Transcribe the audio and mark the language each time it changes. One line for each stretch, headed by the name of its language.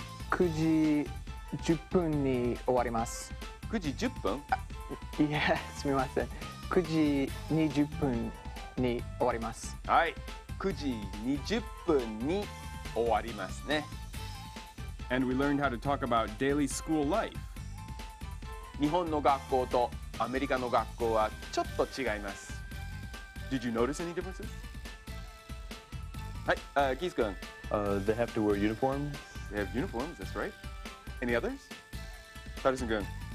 Japanese: 9時10分に終わります。 9時10分？いや、すみません。9時20分に終わります。はい、9時20分に終わりますね。
English: And we learned how to talk about daily school life.
Japanese: 日本の学校とアメリカの学校はちょっと違います。
English: Did you notice any differences?
Japanese: はい、キース君。
English: They have to wear uniforms. They have uniforms, that's right. Any others? タリスン君。